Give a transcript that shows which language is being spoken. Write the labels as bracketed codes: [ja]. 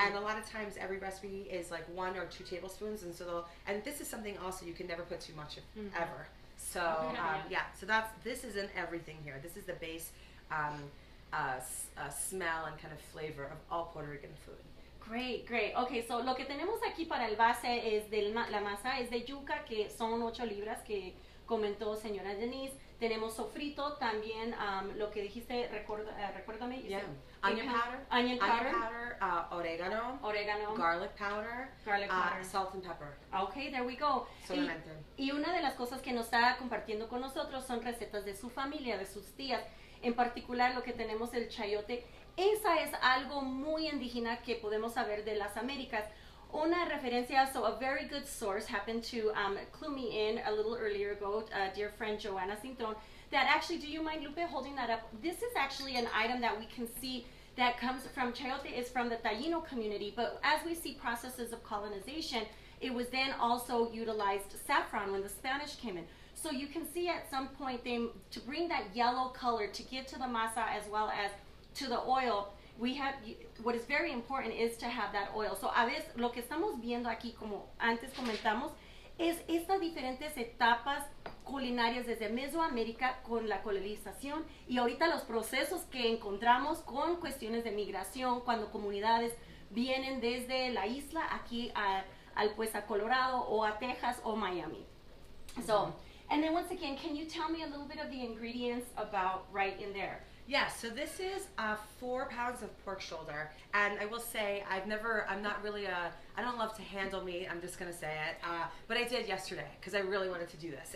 [en] And a lot of times every recipe is like 1 or 2 tablespoons. And so and this is something also you can never put too much of mm-hmm. ever. So this isn't everything here. This is the base smell and kind of flavor of all Puerto Rican food. Great. Okay, so [es] lo que tenemos aquí para el base es la masa es de yuca, que son 8 libras, que comentó señora Denise, tenemos sofrito, también lo que dijiste, recuérdame. [en] Yeah. Onion powder, orégano, garlic powder, salt and pepper. Okay, there we go. [es] Y una de las cosas que nos está compartiendo con nosotros son recetas de su familia, de sus tías. En particular, lo que tenemos el chayote, esa es algo muy indígena que podemos saber de las Américas. Una referencia, [en] so a very good source happened to clue me in a little earlier ago, dear friend Joanna Cintron, that actually, do you mind, Lupe, holding that up? This is actually an item that we can see that comes from chayote, is from the Taino community, but as we see processes of colonization, it was then also utilized saffron when the Spanish came in. So you can see at some point, they to bring that yellow color to get to the masa as well as to the oil, we have, what is very important is to have that oil. [es] So a veces, lo que estamos viendo aquí, como antes comentamos, es estas diferentes etapas culinarias desde Mesoamérica con la colonización y ahorita los procesos que encontramos con cuestiones de migración cuando comunidades vienen desde la isla aquí a Colorado o a Texas o Miami. [en] So, and then once again, can you tell me a little bit of the ingredients about right in there? Yeah, so this is 4 pounds of pork shoulder, and I will say I don't love to handle meat, I'm just gonna say it, but I did yesterday, because I really wanted to do this.